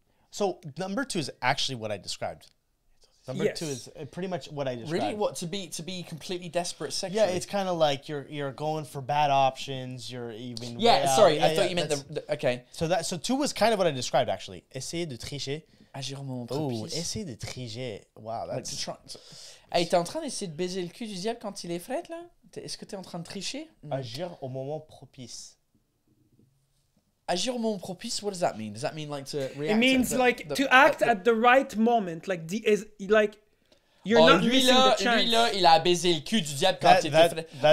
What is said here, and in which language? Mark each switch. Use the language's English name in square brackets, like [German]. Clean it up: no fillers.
[English] So, number 2 is actually what I described. Number 2 is pretty much what I described. Really, what to be completely desperate sexually? Yeah, it's kind of like you're going for bad options. You're even yeah. Way sorry, out. Yeah, I thought yeah, you meant the okay. So 2 was kind of what I described actually. [French] Essayer de tricher. Agir au moment propice. [English] Oh, [French] essayer de tricher. [English] Wow, that's. Like to try. [French] Hey, t'es en train d'essayer de baiser le cul du diable quand il est fret là? Est-ce que t'es en train de tricher? Agir au moment propice. Agir au moment propice, [English] what does that mean? Does that mean like to react? It means to act at the right moment. Like, you're not missing the chance. [French] Lui là, il a baisé le cul du diable quand il était...